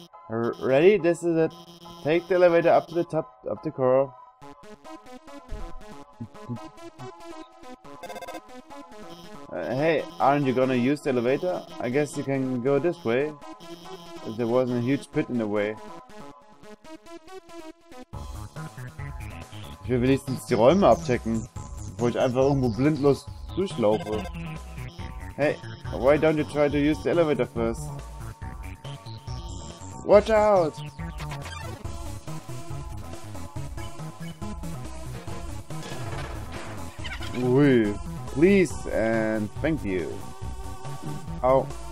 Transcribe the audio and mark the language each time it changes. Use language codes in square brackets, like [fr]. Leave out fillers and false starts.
[en] Ready? This is it. Take the elevator up to the top of the coral. hey, aren't you gonna use the elevator? I guess you can go this way. If there wasn't a huge pit in the way. [de] Ich will wenigstens die Räume abchecken, bevor ich einfach irgendwo blindlos durchlaufe. [en] Hey, why don't you try to use the elevator first? Watch out! Ui, please and thank you. Au.